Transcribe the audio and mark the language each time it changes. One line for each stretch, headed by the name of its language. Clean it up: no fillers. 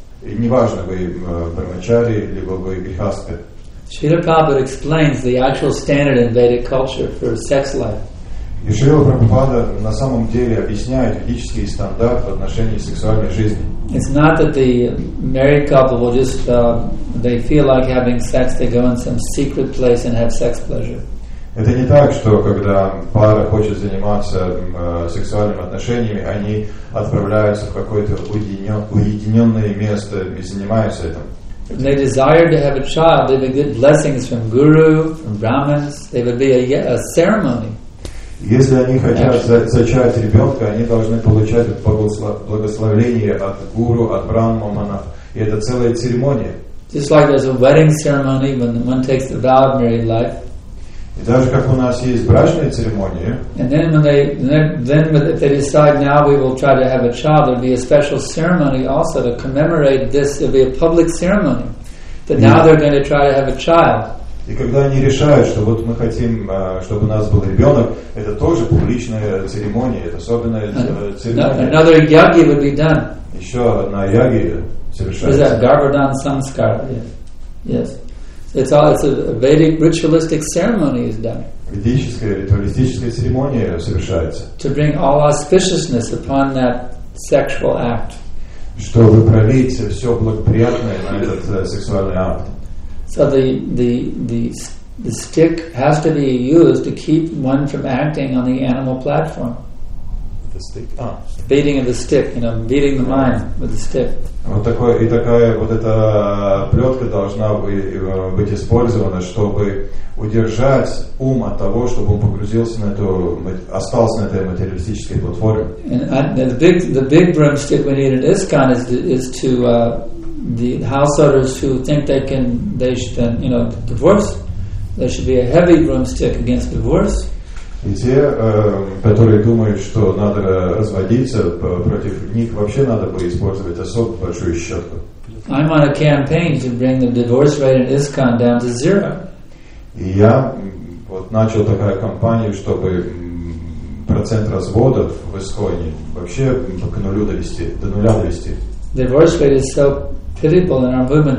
Russian: И неважно, вы брахмачари, либо вы грихастха.
English: Шрила Прабхупада explains the actual standard in Vedic culture for sex life.
Russian: И Шрила Прабхупада на самом деле объясняет ведический стандарт в отношении сексуальной жизни.
English: It's not that the married couple will just they feel like having sex, they go in some secret place and have sex pleasure.
Russian: Это не так, что когда пара хочет заниматься сексуальными отношениями, они отправляются в какое-то уединенное место и занимаются этим.
English: They desire to have a child, they would get blessings from guru, from brahmins, they would be a ceremony.
Russian: Если они хотят зачать ребенка, они должны получать благословение от гуру, от брахманов, и это целая церемония.
English: Just like there's a wedding ceremony when one takes the vow of married life.
Russian: И даже как у нас есть брачные церемонии.
English: And then when they then if they decide now we will try to have a child, there'll be a special ceremony also to commemorate this. It'll be a public ceremony that now they're going to try to have a child.
Russian: И когда они решают, что вот мы хотим, чтобы у нас был ребенок, это тоже публичная церемония, это особенная церемония.
English: Another yagi would be done.
Russian: Еще одна яги совершается.
English: Is that Garbhadan Samskar? Yes. Yes. It's all. It's a Vedic ritualistic ceremony is done.
Russian: Ведическая ритуалистическая церемония совершается.
English: To bring all auspiciousness upon that sexual act.
Russian: Чтобы пролить все благоприятное на этот сексуальный акт.
English: So the stick has to be used to keep one from acting on the animal platform. The stick. Ah. Beating of the stick, you know, beating the mind with the stick.
Russian: Вот такое и такая вот эта плетка должна быть использована, чтобы удержать ум от того, чтобы он погрузился на эту, остался на этой материалистической платформе.
English: And the big broomstick we need in ISKCON is to the householders who think they should then, you know, divorce. There should be a heavy broomstick against divorce.
Russian: И те, которые думают, что надо разводиться, против них вообще надо бы использовать особо большую щетку.
English: I'm on a campaign to bring the divorce rate in ISKCON down to zero.
Russian: И я вот начал такая кампания, чтобы процент разводов в ИСККОНе вообще к нулю довести, до нуля довести.
English: Divorce rate is so pitiable in our movement.